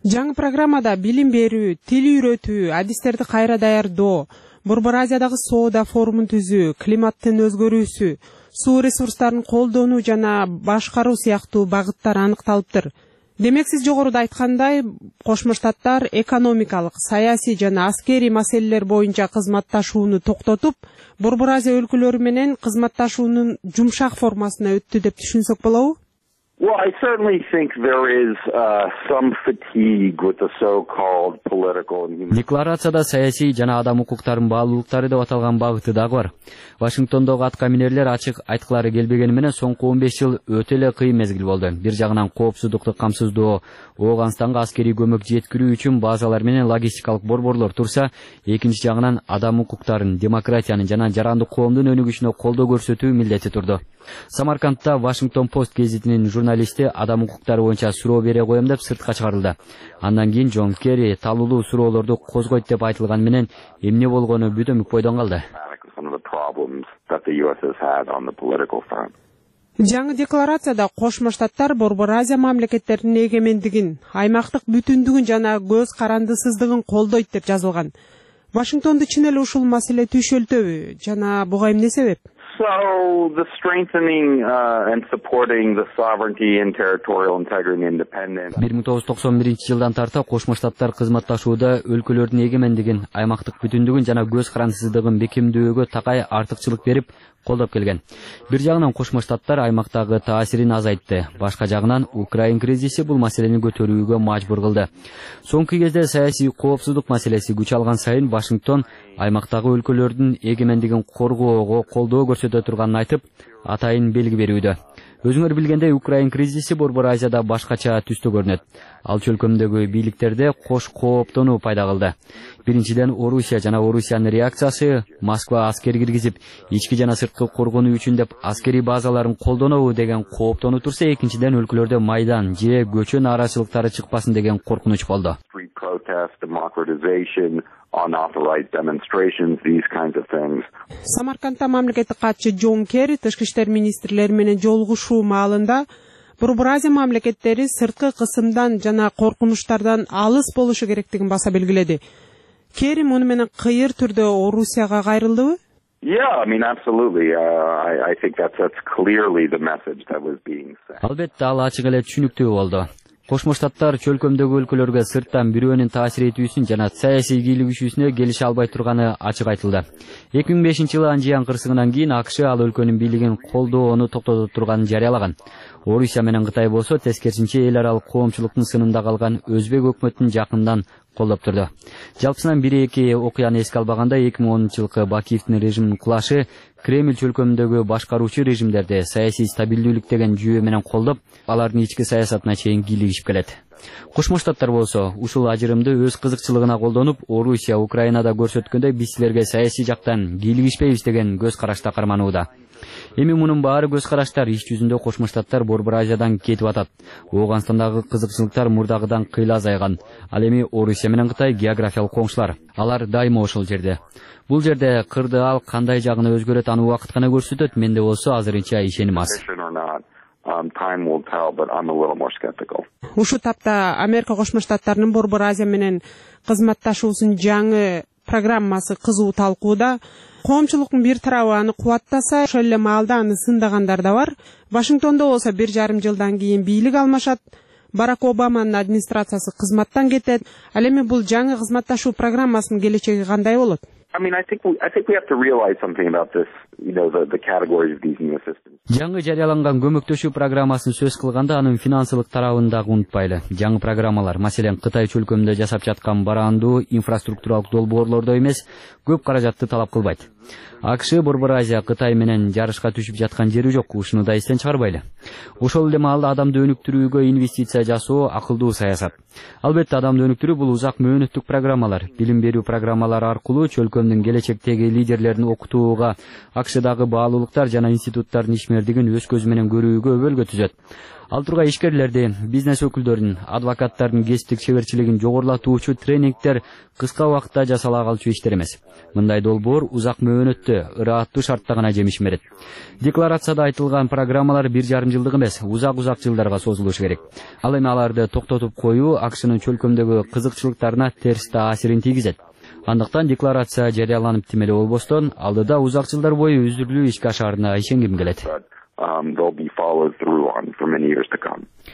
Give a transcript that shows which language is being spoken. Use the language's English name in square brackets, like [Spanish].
[Kyrgyz] Жаңы программада билим берүү, тил үйрөтүү, адистерди кайра даярдоо, Борбор Азиядагы соода форумун түзүү, климаттын өзгөрүүсү, суу ресурстарын колдонуу жана башкаруу сыяктуу багыттар аныкталыптыр. Демек сиз жогоруда айткандай, Кошмо Штаттар экономикалык, саясий жана аскерий маселелер боюнча кызматташууну токтотуп, Борбор Азия өлкөлөрү менен кызматташуунун жумшак формасына өттү деп түшүнсөк болобу? [English] Well, I certainly think there is some fatigue with the so-called political and human. [Kyrgyz] Декларацияда саясий жана адам укуктарын баалуулуктары деп аталган багыты дагы бар. Вашингтондогу аткаминерлер ачык айткылары келбегени менен соңку 15 жыл өтө эле кыйын мезгил болду. Бир жагынан коопсуздукту камсыздоо, Ооганстанга аскерий көмөк жеткирүү үчүн базалар менен логистикалык борборлор турса, экинчи жагынан адам укуктарын, демократиянын жана жарандык коомдун өнүгүшүнө колдоо көрсөтүү милдети турду. Самаркандта Вашингтон Пост гезитинин журналисти адам укуктары боюнча суроо бере коем деп сыртка чыгарылды. Андан кийин Джон Керри талуулуу суроолорду козгойт деп айтылган менен эмне болгону бүтөмүк бойдон калды. Жаңы декларацияда Кошмо Штаттар Борбор Азия мамлекеттеринин эгемендигин, аймактык бүтүндүгүн жана көз карандысыздыгын колдойт деп жазылган. Вашингтонду чын эле ушул маселе түшөлтөбү жана буга эмне себеп? [English] So the strengthening and supporting the sovereignty and territorial integrity and independence. [Kyrgyz] 1991 жылдан тарта Кошмо Штаттар кызматташууда өлкөлөрдүн эгемендигин, аймактык бүтүндүгүн жана көз карандысыздыгын бекемдөөгө такай артыкчылык берип колдоп келген. Бир жагынан Кошмо Штаттар аймактагы таасирин азайтты. Башка жагынан Украин кризиси бул маселени көтөрүүгө мажбур кылды. Соңку кезде саясий коопсуздук маселеси күч алган сайын Вашингтон аймактагы өлкөлөрдүн эгемендигин коргоого колдоо көрсөтө турганын айтып, атайын белги берүүдө. Өзүңөр билгендей, Украин кризиси Борбор Азияда башкача түстө көрүнөт. Ал чөлкөмдөгү бийликтерде кош кооптонуу пайда кылды. Биринчиден Орусия жана Орусиянын реакциясы Москва аскер киргизип, ички жана сырткы коргонуу үчүн деп аскерий базаларын колдонобу деген кооптонуу турса, экинчиден өлкөлөрдө майдан же көчө нааразылыктары чыкпасын деген коркунуч болду. [English] Unauthorized demonstrations, these kinds of things. [Kyrgyz] Самарканда мамлекеттик катчы Джон Керри тышкы иштер министрлери менен жолугушуу маалында Борбор Азия мамлекеттери сырткы кысымдан жана коркунучтардан алыс болушу керектигин баса белгиледи. Керри муну менен кыйыр түрдө Орусияга кайрылдыбы? [English] Yeah, I mean absolutely. I think that's clearly the message that was being sent. [Kyrgyz] Албетте, ал ачык эле түшүнүктүү болду. Кошмо Штаттар чөлкөмдөгү өлкөлөргө сырттан бирөөнүн таасир этүүсүн жана саясий кийлигишүүсүнө келише албай турганы ачык айтылды. 2005 жылы Анжиян кырсыгынан кийин АКШ ал өлкөнүн бийлигин колдоону токтото турганын жарыялаган. Орусия менен Кытай болсо тескерисинче эл аралык коомчулуктун сынында калган өзбек өкмөтүн жакындан колдоп турду. Жалпысынан бир эки окуяны эске албаганда 2010 жылкы Бакиевдин режимин кулашы Кремль чөлкөмдөгү башкаруучу режимдерди саясий стабилдүүлүк деген жүйө менен колдоп, алардын ички саясатына чейин кийлигишип келет. Кошмо Штаттар болсо ушул ажырымды өз кызыкчылыгына колдонуп, Орусия Украинада көрсөткөндөй биз силерге саясий жактан кийлигишпейбиз деген көз карашта карманууда. Эми мунун баары көз караштар, иш жүзүндө Кошмо Штаттар Борбор Азиядан кетип атат. Оогандагы кызыкчылыктар мурдагыдан кыйла азайган. Ал эми Орусия менен Кытай географиялык коңшулар. Алар дайыма ошол жерде. Бул жерде кырды ал кандай жагына өзгөрөт, аны убакыт гана көрсөтөт. Менде болсо азырынча ишеним аз. [English] Time will tell, but I'm a little more skeptical. [Kyrgyz] Ушу тапта Америка Кошмо Штаттарынын Борбор Азия менен кызматташуусун жаңы программасы кызуу талкууда. Коомчулуктун бир тарабы аны кубаттаса, ошол эле маалда аны сындагандар да бар. Вашингтондо болсо бир жарым жылдан кийин бийлик алмашат, Барак Обаманын администрациясы кызматтан кетет. Ал эми бул жаңы кызматташуу программасынын келечеги кандай болот? [English] I mean, I think we have to realize something about this, you know, the categories of these new assistants. [Kyrgyz] Жаңы жарыяланган көмөктөшүү программасын сөз кылганда, анын финансылык тарабын дагы унутпайлы. Жаңы программалар, маселен, Кытай өлкөмүндө жасап жаткан барандуу инфраструктуралдык долбоорлордо эмес, көп каражатты талап кылбайт. АКШ, Борбор Азия, Кытай менен жарышка түшүп жаткан жери жок, ушуну да эстен чыгарбайлы. Ошол эле маалда адамды өнүктүрүүгө инвестиция жасоо акылдуу саясат. Албетте, адамды өнүктүрүү бул узак мөөнөттүк программалар, билим берүү программалары аркылуу өлкөмдүн келечектеги лидерлерин окутууга, АКШ-дагы баалуулуктар жана институттардын ишмердигин өз көзү менен көрүүгө өбөлгө түзөт. Ал тургай ишкерлерди, бизнес өкүлдөрүн, адвокаттардын кесиптик чеберчилигин жогорулатуучу тренингдер кыска убакытта жасала калчу иштер эмес. Мындай долбоор узак мөөнөттө, ырааттуу шартта гана жемиш берет. Декларацияда айтылган программалар 1,5 жылдык эмес, узак-узак жылдарга созулушу керек. Ал эми аларды токтотуп коюу АКШ-нын өлкөмдөгү кызыкчылыктарына терс таасирин тийгизет. Андыктан декларация жарыяланып тим эле болбостон, алдыда узак жылдар бою үзүрлүү ишке ашарына ишенгим келет. [English] They'll be followed through on for many years to come.